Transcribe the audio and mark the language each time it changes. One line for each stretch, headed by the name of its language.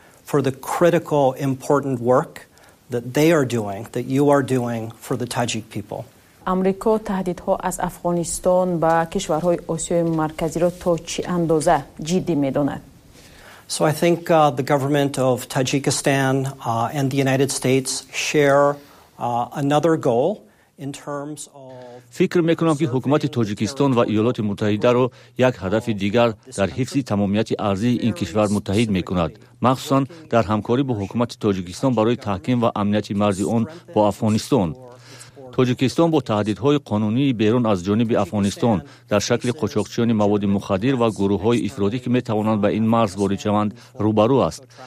English: for the critical important work that they are doing that you are doing for the Tajik people.
Persian: امریکا تهدید ها از افغانستان به کشورهای آسیای مرکزی را تا چه اندازه جدی میداند؟
English: So I think the government of Tajikistan and the United States share another goal in terms of
Persian: فکر میکنم که حکومت تاجیکستان و ایالات متحده را یک هدف دیگر در حفظ تمامیت ارضی این کشور متحد میکند، مخصوصا در همکاری با حکومت تاجیکستان برای تحکیم و امنیت مرز آن با افغانستان. تاجیکستان با تهدیدهای قانونی بیرون از جانب افغانستان در شکل قاچاقچیان مواد مخدر و گروههای افرادی که می توانند به این مرز وارد شوند روبرو است.